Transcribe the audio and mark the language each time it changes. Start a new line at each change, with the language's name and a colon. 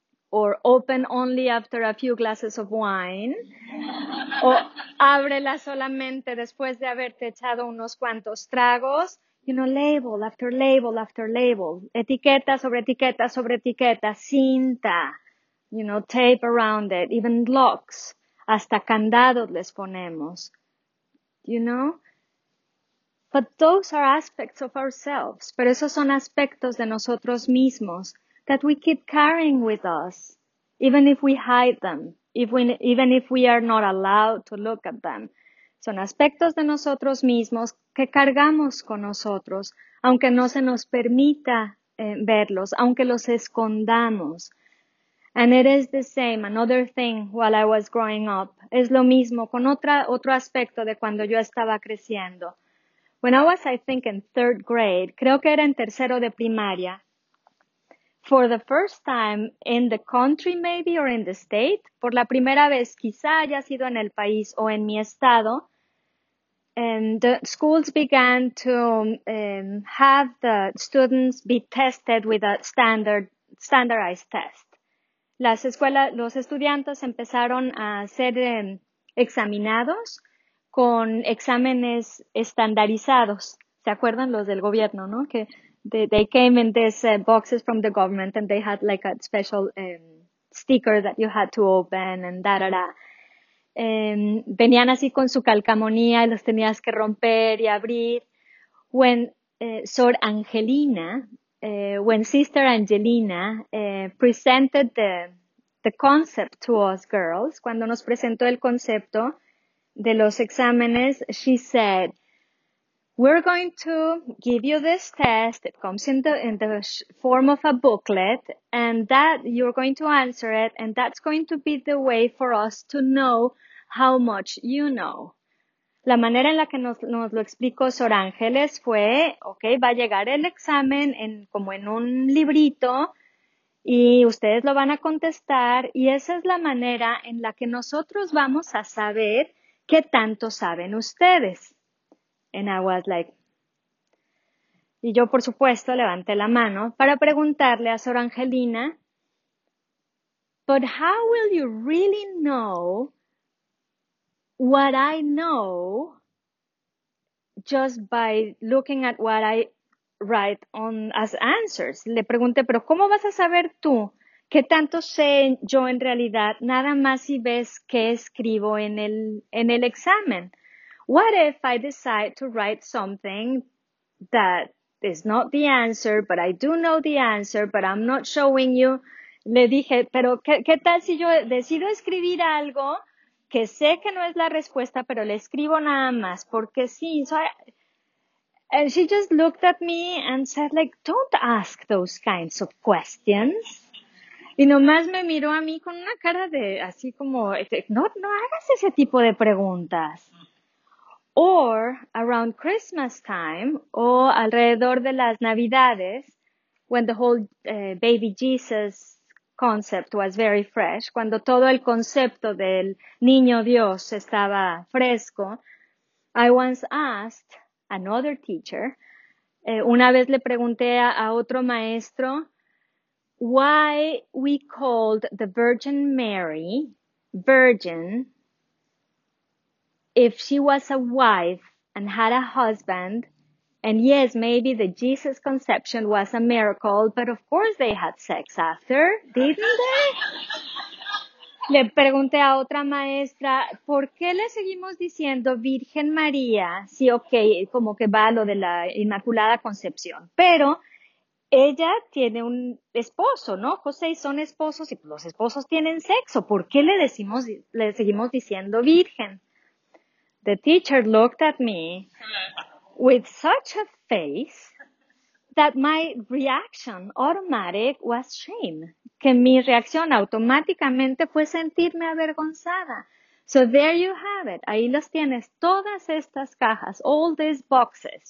English: or open only after a few glasses of wine,
Spanish: o ábrela solamente después de haberte echado unos cuantos tragos,
English: you know, label after label after label,
Spanish: etiqueta sobre etiqueta sobre etiqueta, cinta,
English: you know, tape around it, even locks,
Spanish: hasta candados les ponemos,
English: you know. But those are aspects of ourselves,
Spanish: pero esos son aspectos de nosotros mismos
English: that we keep carrying with us, even if we hide them, even if we are not allowed to look at them.
Spanish: Son aspectos de nosotros mismos que cargamos con nosotros, aunque no se nos permita verlos, aunque los escondamos.
English: And it is the same, another thing while I was growing up.
Spanish: Es lo mismo con otro aspecto de cuando yo estaba creciendo.
English: When I was, I think, in third grade,
Spanish: creo que era en tercero de primaria,
English: for the first time in the country maybe or in the state,
Spanish: por la primera vez quizá haya sido en el país o en mi estado,
English: and the schools began to have the students be tested with a standardized test.
Spanish: Las escuelas, los estudiantes empezaron a ser examinados con exámenes estandarizados. ¿Se acuerdan los del gobierno, no?
English: Que they came in these boxes from the government and they had like a special sticker that you had to open and da, da, da.
Spanish: Venían así con su calcomanía y los tenías que romper y abrir.
English: When Sor Angelina, when Sister Angelina presented the concept to us girls,
Spanish: cuando nos presentó el concepto de los exámenes,
English: she said, "We're going to give you this test. It comes in the form of a booklet, and that you're going to answer it, and that's going to be the way for us to know how much you know."
Spanish: La manera en la que nos lo explicó Sor Ángeles fue, okay, va a llegar el examen en como en un librito, y ustedes lo van a contestar, y esa es la manera en la que nosotros vamos a saber qué tanto saben ustedes.
English: And I was like,
Spanish: y yo por supuesto levanté la mano para preguntarle a Sor Angelina,
English: "But how will you really know what I know just by looking at what I write on as answers?"
Spanish: Le pregunté, "¿Pero cómo vas a saber tú qué tanto sé yo en realidad nada más si ves qué escribo en el examen?
English: What if I decide to write something that is not the answer, but I do know the answer, but I'm not showing you?"
Spanish: Le dije, "Pero qué tal si yo decido escribir algo que sé que no es la respuesta, pero le escribo nada más, porque sí."
English: So and she just looked at me and said, like, "Don't ask those kinds of questions."
Spanish: Y nomás me miró a mí con una cara de así como, "No, no hagas ese tipo de preguntas."
English: Or around Christmas time,
Spanish: o alrededor de las Navidades,
English: when the whole baby Jesus concept was very fresh,
Spanish: cuando todo el concepto del niño Dios estaba fresco,
English: I once asked another teacher,
Spanish: una vez le pregunté a otro maestro,
English: "Why we called the Virgin Mary virgin if she was a wife and had a husband, and yes, maybe the Jesus conception was a miracle, but of course they had sex after, didn't they?"
Spanish: Le pregunté a otra maestra, "¿Por qué le seguimos diciendo Virgen María? Sí, okay, como que va lo de la Inmaculada Concepción, pero ella tiene un esposo, ¿no? José, y son esposos y los esposos tienen sexo. ¿Por qué le seguimos diciendo virgen?"
English: The teacher looked at me with such a face that my reaction automatic was shame.
Spanish: Que mi reacción automáticamente fue sentirme avergonzada.
English: So there you have it.
Spanish: Ahí los tienes, todas estas cajas,
English: all these boxes.